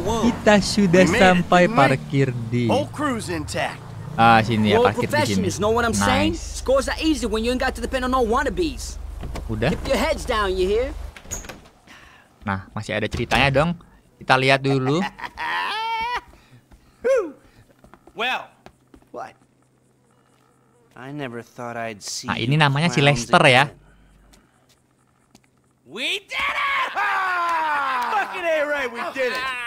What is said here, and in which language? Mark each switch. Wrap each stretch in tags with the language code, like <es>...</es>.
<id>Kita sudah sampai parkir di.</id> <en>Whole crew's intact.</en> <id>Ah, sini ya parkir di sini.</id> <en>Know what I'm saying? Scores are easy when you ain't got to depend on no wannabes.</en> <id>Udah.</id> <en>Keep your heads down, you hear?</en> <id>Nah, masih ada ceritanya dong. Kita lihat dulu.</id> <en>Well, what? I never thought I'd see.</en> <id>Nah, ini namanya si Lester ya.</id> <en>We did it! Fucking A right, we did it.</en>